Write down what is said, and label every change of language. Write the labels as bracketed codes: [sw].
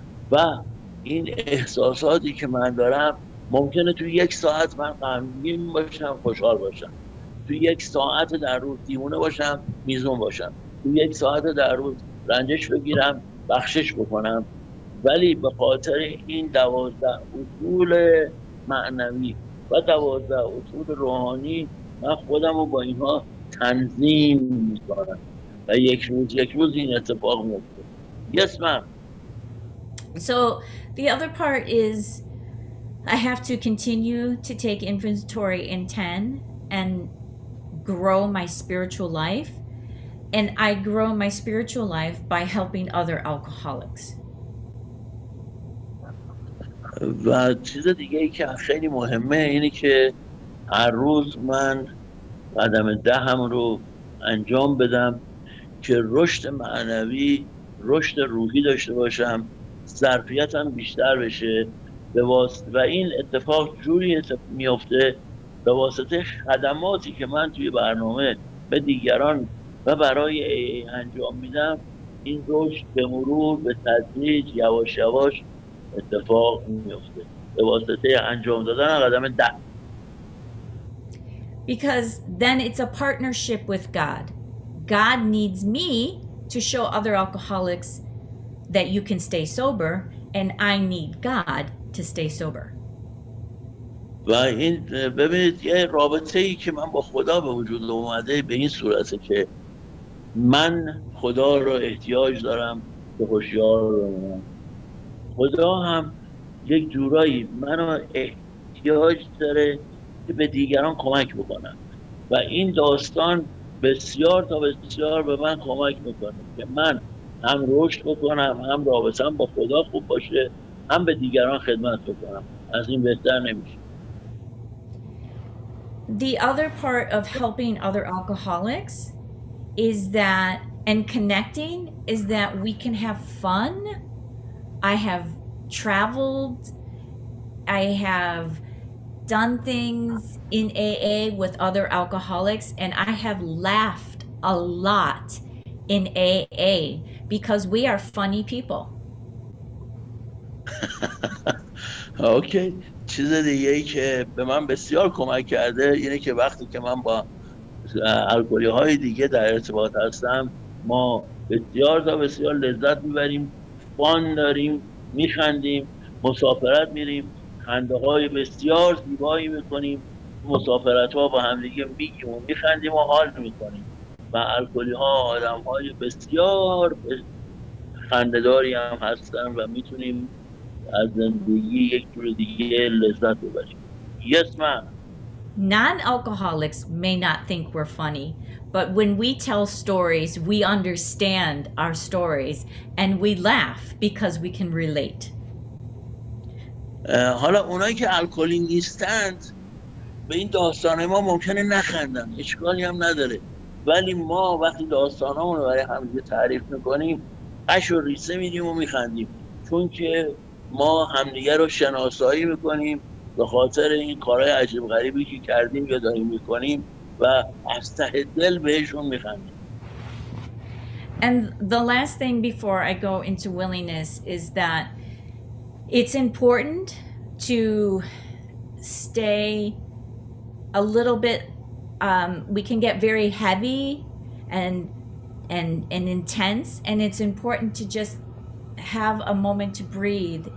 [fa] و این احساساتی که من دارم، ممکنه تو یک ساعت من غمگین باشم، خوشحال باشم، تو یک ساعت در روز دیوونه باشم، میزون باشم، تو یک ساعت در روز رنجش بگیرم، بخشش بکنم، ولی به خاطر این 12 اصول معنوی و 12 اصول روحانی، من خودم رو با اینها تنظیم می‌کنم و یک روز این اتفاق می‌افته. [en] Yes, ma'am. So the other part is I have to continue to take inventory in 10 and grow my spiritual life, and I grow my spiritual life by helping other alcoholics. [fa] و چیز دیگه ای که خیلی مهمه اینه که هر روز من قدم 10 رو انجام بدم که رشد معنوی، رشد روحی داشته باشم، ظرفیتم بیشتر بشه به واسطه، و این اتفاق جوری میفته به واسطه خدماتی که من توی برنامه به دیگران و برای انجام میدم. این رشد به مرور، به تدریج، یواش یواش اتفاق میفته به واسطه انجام دادن قدم 10. [en] Because then it's a partnership with God. God needs me to show other alcoholics that you can stay sober, and I need God to stay sober. [fa] و این ببینید یه رابطه ای که من با خدا به وجود اومده به این صورته که من خدا رو احتیاج دارم که هوشیار بمونم. خدا هم یک جورایی منو احتیاج داره که به دیگران کمک بکنم و این داستان بسیار تا بسیار به من کمک میکنه که من هم رشد بکنم، هم رابطه‌ام با خدا خوب باشه، هم به دیگران خدمت بکنم. از این بهتر نمیشه. [en] The other part of helping other alcoholics is that, and connecting, is that we can have fun. I have traveled, I have done things in AA with other alcoholics, and I have laughed a lot in AA because we are funny people. Okay. [fa] چیز دیگه ای که به من بسیار کمک کرده اینه که وقتی که من با الکلی های دیگه در ارتباط هستم، ما بسیار تا بسیار لذت میبریم، فان داریم، میخندیم، مسافرت میریم، خنده های بسیار زیبایی میکنیم، مسافرت ها با همدیگه میگیم و میخندیم و حال میکنیم. و الکلی ها آدم های بسیار خنده‌داری هم هستن و میتونیم از زندگی یک جور دیگه لذت ببریم. [en] Yes, ma'am. Non-alcoholics may not think we're funny, but when we tell stories, we understand our stories and we laugh because we can relate. [fa] حالا اونایی که الکلی نیستند به این داستان ما ممکنه نخندن، اشکالی هم نداره، ولی ما وقتی داستانامون رو برای همدیگه تعریف میکنیم قش و ریسه میدیم و میخندیم، چون که ما همدیگه رو شناسایی میکنیم به خاطر این کارهای عجیب غریبی که کردیم یا داریم میکنیم و از ته دل بهشون میخندیم. [en] And the last thing before I go into willingness is that it's important to stay a little bit, we can get very heavy and intense, and it's important to just have a moment to breathe.